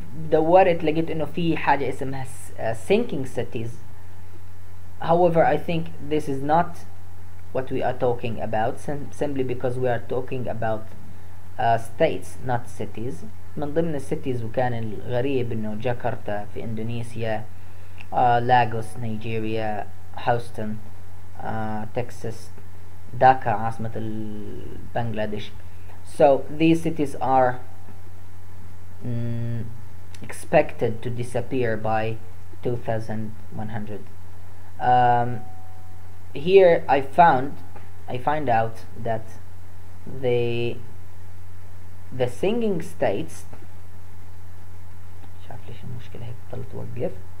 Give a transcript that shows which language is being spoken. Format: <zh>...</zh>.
<ar>دورت لقيت أنه في حاجة اسمها</ar> <en>sinking cities. However, I think this is not what we are talking about simply because we are talking about states, not cities.</en> <ar>من ضمن cities وكان الغريب انه جاكرتا في اندونيسيا, لاغوس نيجيريا, هاوستن تكساس, داكا عاصمة البنغلاديش.</ar> <en>So these cities are expected to disappear by 2100. Here I find out that the sinking states,</en> <ar>شاف ليش المشكلة هيك طلعت وقف.</ar>